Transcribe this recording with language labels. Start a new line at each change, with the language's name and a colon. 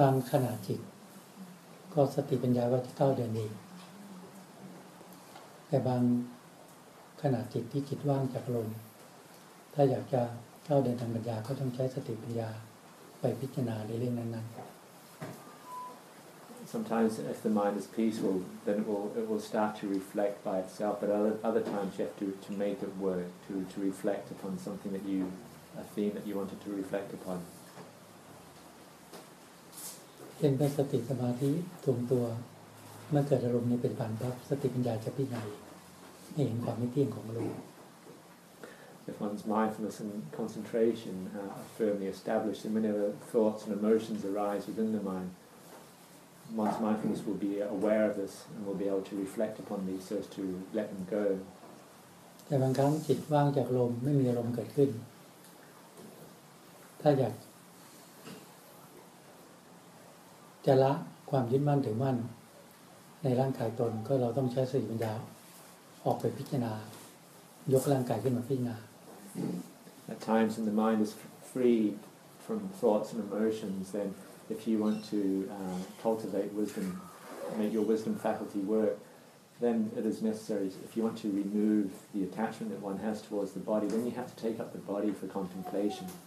Thai: บางขณะจิตก็สติปัญญาก็จะเข้าเดินเองแต่บางขณะจิตที่จิตว่างจากลมถ้าอยากจะเข้าเดินทางปัญญาก็ต้องใช้สติปัญญาไปพิจารณาในเรื่องนั้น
English: ๆ Sometimes if the mind is peaceful then it will start to reflect by itself but other times you have to make it work to reflect upon something that you a theme that you wanted to reflect upon
Thai: เป็นสติสมาธิถ่วงตัวเมื่อเกิดอารมณ์ในปัจจุบันปั๊บสติปัญญาจะพิจารณาเห็นความไม่เที่ยงของรู้
English: If one's mindfulness and concentration are firmly established, and whenever thoughts and emotions arise within the mind, one's mindfulness will be aware of this and will be able to reflect upon these so as to let them go.
Thai: แต่บางครั้งจิตว่างจากลมไม่มีอารมณ์เกิดขึ้นถ้าอยากจะละความยึดมั่นถือมั่นในร่างกายตนก็เราต้องใช้สติปัญญาออกไปพิจารณายกร่างกายขึ้นมาพิจารณา
English: At times when the mind is free from thoughts and emotions then if you want to cultivate wisdom make your wisdom faculty work then it is necessary, if you want to remove the attachment that one has towards the body, then you have to take up the body for contemplation.